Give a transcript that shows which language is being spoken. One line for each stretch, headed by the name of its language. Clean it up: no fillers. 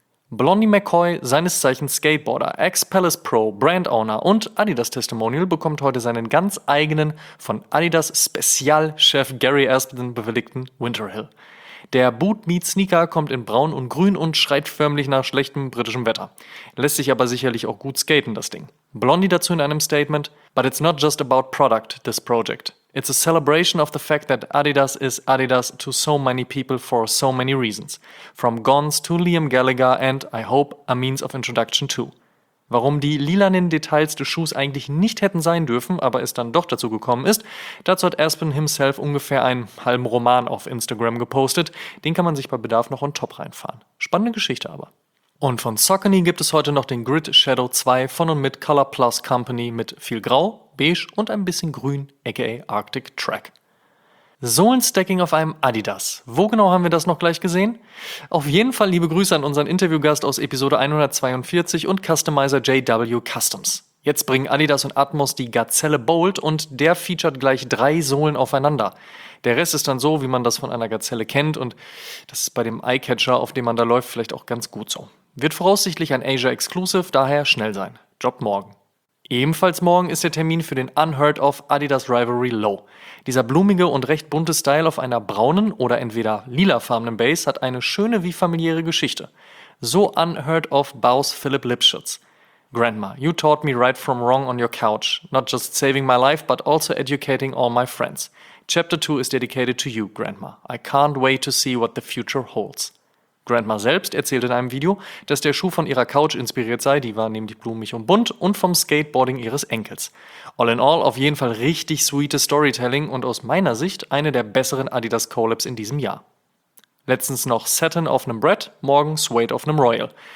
German: Blondie McCoy, seines Zeichens Skateboarder, Ex-Palace Pro, Brand Owner und Adidas Testimonial bekommt heute seinen ganz eigenen, von Adidas Spezialchef Gary Aspen bewilligten Winterhill. Der Boot Meets Sneaker kommt in Braun und Grün und schreit förmlich nach schlechtem britischem Wetter. Lässt sich aber sicherlich auch gut skaten, das Ding. Blondie dazu in einem Statement:
English: But it's not just about product, this project. It's a celebration of the fact that Adidas is Adidas to so many people for so many reasons. From Gons to Liam Gallagher and, I hope, a means of introduction too.
German: Warum die lilanen Details des Schuhs eigentlich nicht hätten sein dürfen, aber es dann doch dazu gekommen ist, dazu hat Aspen himself ungefähr einen halben Roman auf Instagram gepostet. Den kann man sich bei Bedarf noch on top reinfahren. Spannende Geschichte aber. Und von Saucony gibt es heute noch den Grid Shadow 2 von und mit Color Plus Company mit viel Grau, Beige und ein bisschen Grün, aka Arctic Track. Sohlenstacking auf einem Adidas. Wo genau haben wir das noch gleich gesehen? Auf jeden Fall liebe Grüße an unseren Interviewgast aus Episode 142 und Customizer JW Customs. Jetzt bringen Adidas und Atmos die Gazelle Bold und der featuret gleich 3 Sohlen aufeinander. Der Rest ist dann so, wie man das von einer Gazelle kennt und das ist bei dem Eyecatcher, auf dem man da läuft, vielleicht auch ganz gut so. Wird voraussichtlich ein Asia Exclusive, daher schnell sein. Job morgen. Ebenfalls morgen ist der Termin für den Unheard of Adidas Rivalry Low. Dieser blumige und recht bunte Style auf einer braunen oder entweder lilafarbenen Base hat eine schöne wie familiäre Geschichte. So Unheard of Baus Philipp Lipschitz.
English: Grandma, you taught me right from wrong on your couch. Not just saving my life, but also educating all my friends. Chapter 2 is dedicated to you, Grandma. I can't wait to see what the future holds.
German: Grandma selbst erzählt in einem Video, dass der Schuh von ihrer Couch inspiriert sei, die war nämlich blumig und bunt, und vom Skateboarding ihres Enkels.
English: All in all
German: auf jeden Fall richtig sweetes Storytelling und aus meiner Sicht eine der besseren Adidas Collabs in diesem Jahr. Letztens noch Satin auf einem Brett, morgen Suede auf einem Royal.